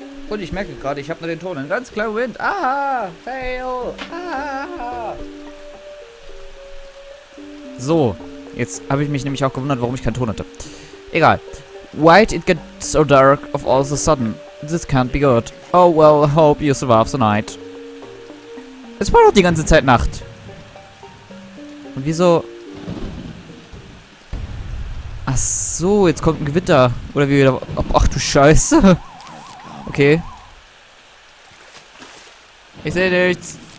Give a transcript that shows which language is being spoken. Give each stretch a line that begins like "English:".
German: Und ich merke gerade, ich habe nur den Ton. Ein ganz kleiner Wind. Aha! Fail! Aha! So, jetzt habe ich mich nämlich auch gewundert, warum ich keinen Ton hatte. Egal.
English: Why did it get so dark of all of a sudden? This can't be good. Oh well, I hope you survive the night.
German: Es war doch die ganze Zeit Nacht. Und wieso... Ach so, jetzt kommt ein Gewitter. Oder wie wieder. Ach du Scheiße. Okay. Ich sehe nichts.